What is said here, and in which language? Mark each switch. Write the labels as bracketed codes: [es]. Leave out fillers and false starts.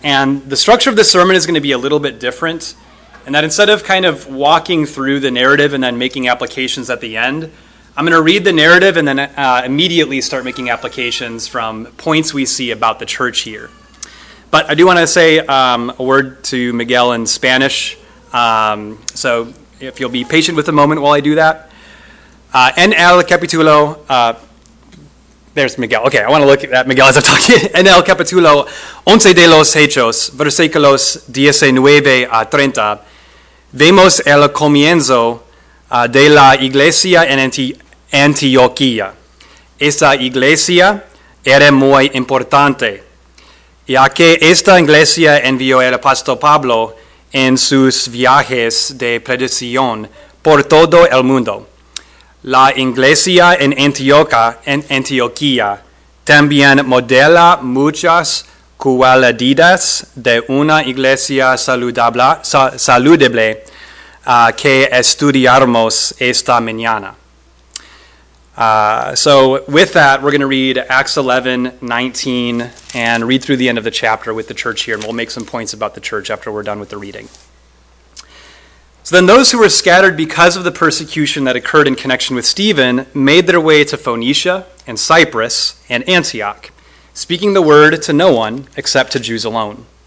[en] And the structure of the sermon is going to be a little bit different. And that instead of kind of walking through the narrative and then making applications at the end, I'm going to read the narrative and then immediately start making applications from points we see about the church here. But I do want to say a word to Miguel in Spanish. So if you'll be patient with a moment while I do that. [es] En el capítulo, [en] there's [es] Miguel. [en] Okay, I want to look at Miguel as I'm talking. [es] En el capítulo 11 de los Hechos, versículos 19 a 30, vemos el comienzo de la iglesia en Antioquía. Esta iglesia era muy importante, ya que esta iglesia envió el apóstol Pablo en sus viajes de predicación por todo el mundo. La iglesia en Antioquía también modela muchas cualidades de una iglesia saludable que estudiamos esta mañana. [en] So with that, we're going to read Acts 11, 19, and read through the end of the chapter with the church here, and we'll make some points about the church after we're done with the reading. So then those who were scattered because of the persecution that occurred in connection with Stephen made their way to Phoenicia and Cyprus and Antioch, speaking the word to no one except to Jews alone.